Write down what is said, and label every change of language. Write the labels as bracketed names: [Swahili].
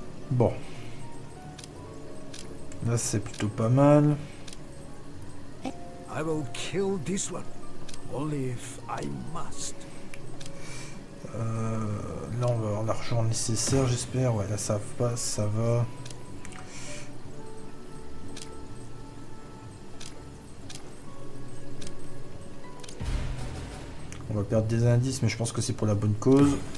[French] Bon, là c'est plutôt pas mal. [English] I will kill this one, only if I must. [French] Là on va avoir l'argent nécessaire, j'espère. Ouais, là ça passe, ça va. On va perdre des indices, mais je pense que c'est pour la bonne cause.